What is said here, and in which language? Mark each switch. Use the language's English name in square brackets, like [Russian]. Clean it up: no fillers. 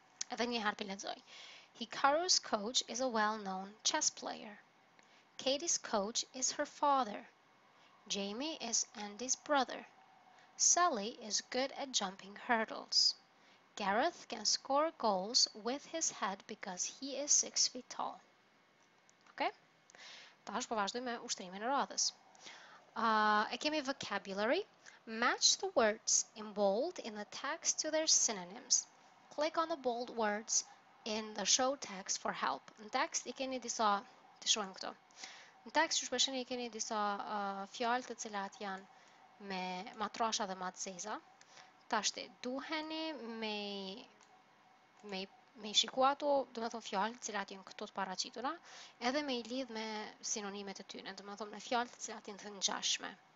[Albanian] Edhe një harpi lezoj. [English] Hikaru's coach is a well-known chess player. Katie's coach is her father. Jamie is Andy's brother. Sally is good at jumping hurdles. Gareth can score goals with his head because he is 6 feet tall. Okay? [Albanian] Tash po vazhdojmë me ushtrimin e radhës. E kemi vocabulary. [English] Match the words in bold in the text to their synonyms. Click on the bold words in the show text for help. [Albanian] Në tekst I keni disa, të shohim këto. Në tekst që shpesheni I keni disa fjalë të cilat janë me matrasha dhe matseza. Tashti, duheni me I shiku ato, dhe me thonë fjalë të cilat janë këto të paraqitura, edhe me I lidh me sinonimet e tyne, dhe me thonë me fjalë të cilat janë të ngjashme.